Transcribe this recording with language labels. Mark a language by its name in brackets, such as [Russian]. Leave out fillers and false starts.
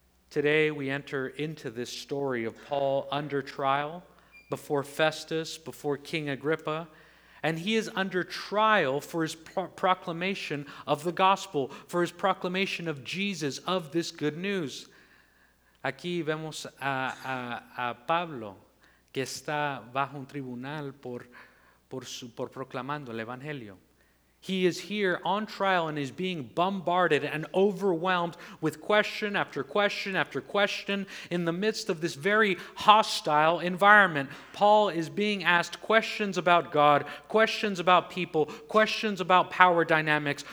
[English] Today we enter into this story of Paul under trial before Festus, before King Agrippa. And he is under trial for his proclamation of the gospel, for his proclamation of Jesus, of this good news. [Spanish] Aquí vemos a Pablo que está bajo un tribunal por proclamando el evangelio. [English] He is here on trial and is being bombarded and overwhelmed with question after question after question in the midst of this very hostile environment. Paul is being asked questions about God, questions about people, questions about power dynamics.